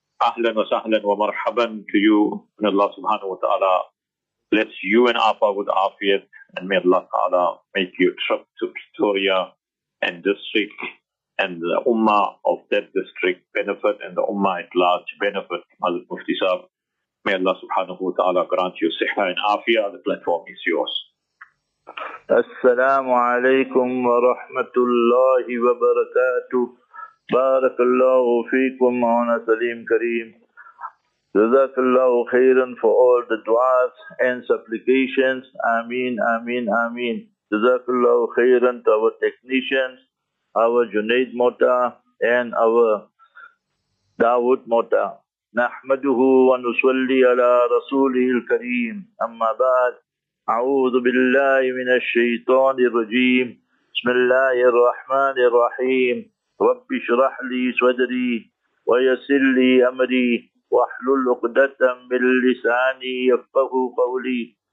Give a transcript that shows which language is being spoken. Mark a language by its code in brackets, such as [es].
[ar] أهلا وسهلا ومرحبا [en] to you. [ar] من الله سبحانه وتعالى [en] bless you and Afa with Afiyat, and may Allah Ta'ala make your trip to Pretoria and district and the Ummah of that district benefit and the Ummah at large benefit. Mazal Mufti Sahab, may Allah Subhanahu wa Ta'ala grant you Sihha and Afiyat. The platform is yours. [ar] Assalamu alaikum wa rahmatullahi wa barakatuh. بارك الله فيكم معنا سليم كريم. جزاك الله خيرا [en] for all the du'as and supplications. Ameen, ameen, ameen. [ar] جزاك الله خيرا [en] to our technicians, our Junaid Mota and our Dawood Mota. [ar] نحمده ونصلي على رسوله الكريم. أما بعد, أعوذ بالله من الشيطان الرجيم. بسم الله الرحمن الرحيم. رب اشرح لي صدري ويسر لي امري واحلل عقدة من لساني يفقهوا قولي.